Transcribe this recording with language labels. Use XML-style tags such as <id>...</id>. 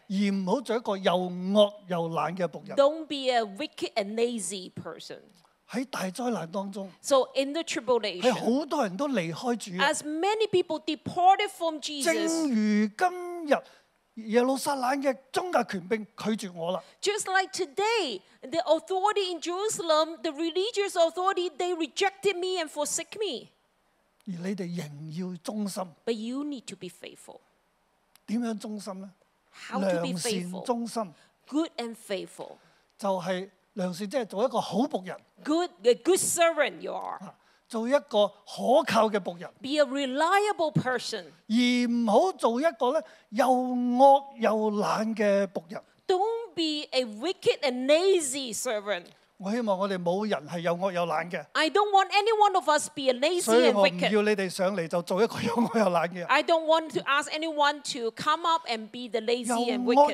<yue>而不要做一个又恶又懒的仆人。</yue> <en>Don't be a wicked and lazy person.</en> <yue>在大灾难当中，</yue> <en>so in the tribulation，</en> <yue>是很多人都离开主，</yue> <en>as many people departed from Jesus，</en> <yue>正如今日耶路撒冷的宗教权柄拒绝我了，</yue> <en>just like today the authority in Jerusalem， the religious authority， they rejected me and forsake me，</en> <yue>而你们仍要忠心，</yue> <en>but you need to be faithful，</en> <yue>怎样忠心呢？</yue> <en>how to be faithful，</en> <yue>良善忠心，</yue> <en>good and faithful，</en> <yue>就是良善，即係做一個好仆人。</yue> <en>Good, a good servant you are.</en> <yue>做一個可靠嘅仆人。</yue> <en>Be a reliable person.</en> <yue>而唔好做一個咧又惡又懶嘅仆人。</yue> <en>Don't be a wicked and lazy servant.</en> <yue>我希望我哋冇人係又惡又懶嘅。</yue> <en>I don't want any one of us be a lazy and wicked.</en> <yue>所以我唔要你哋上嚟就做一個又惡又懶嘅人。</yue> <en>I don't want to ask anyone to come up and be the lazy and wicked.</en>